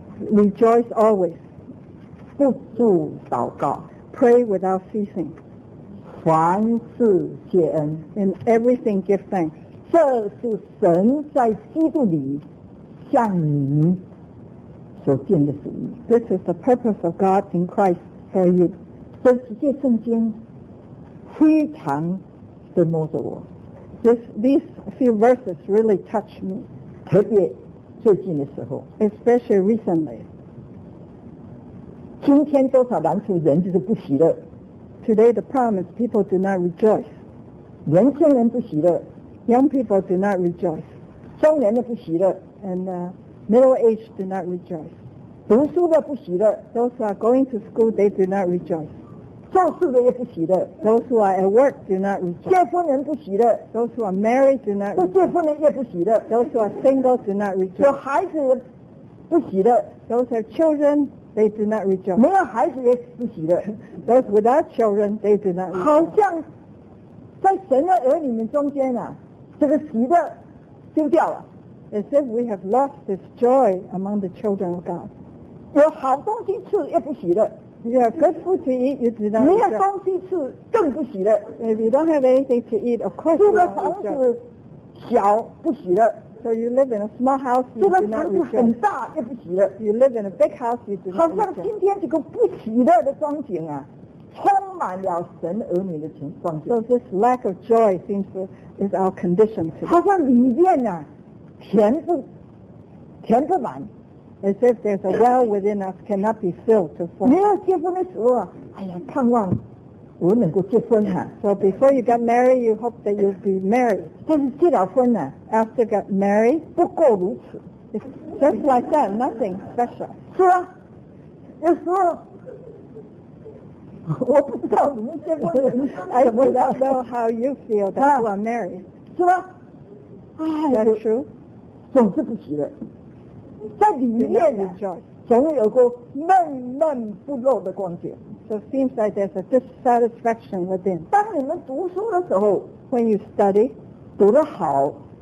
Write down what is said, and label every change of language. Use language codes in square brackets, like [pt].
[en] Rejoice always. [zh] 不住祷告 [en] Pray without ceasing [zh] 凡事谢恩 [en] In everything give thanks [zh] 这是神在基督里向你所建的旨意 [en] This is the purpose of God in Christ for you [zh] 这几节圣经非常的摸着我 [en] These few verses really touch me [zh] 特别最近的时候 [en] Especially recently [zh] 今天多少难处人就是不喜乐 [en] Today the problem is people do not rejoice [zh] 年轻人不喜乐 [en] Young people do not rejoice [zh] 中年的不喜乐 [en] And middle age do not rejoice [zh] 读书的不喜乐 [en] Those who are going to school they do not rejoice [zh] 做事的也不喜乐 [en] Those who are at work do not rejoice [zh] 结婚人不喜乐 [en] Those who are married do not rejoice [zh] 不结婚人也不喜乐 [en] Those who are single do not rejoice [zh] 有孩子不喜乐 [en] Those are children They do not rejoice. [zh] 没有孩子也不喜乐。 [en] Those without children, they do not rejoice. [zh] 好像在神的儿女们中间啊，这个喜乐丢掉了。 [en] As if we have lost this joy among the children of God. [zh] 有好东西吃也不喜乐。 [en] You have good food to eat, you do not rejoice. [zh] 没有东西吃更不喜乐。 [en] If you don't have anything to eat, of course you don't rejoice. [zh] 住的房子小不喜乐。 [en] So you live in a small house, you do not rejoice. You live in a big house, you do not rejoice. [zh] 好像今天这个不喜乐的光景啊，充满了神儿女的情况。 [en] So this lack of joy seems to is our condition today. [zh] 好像里面啊，填不满。 [en] As if there's a well within us cannot be filled to full. [zh] 没有结婚的时候，哎呀，盼望我能够结婚哈。 [en] So before you got married, you hope that you'll be married. [zh] 但是结了婚呢 [en] ？After got married, [zh] 不过如此。 [en] Just like that, nothing special. [zh] 是啊，有时候我不知道你们结婚的人怎么 [en] 想。I don't know how you feel that you are married. [zh] 是吧？哎，是 true. 总是不喜乐，在里面呢，总有个闷闷不乐的光景。 [en] So it seems like there's a dissatisfaction within. [zh] 当你们读书的时候 [en] ，when you study， [zh] 读得好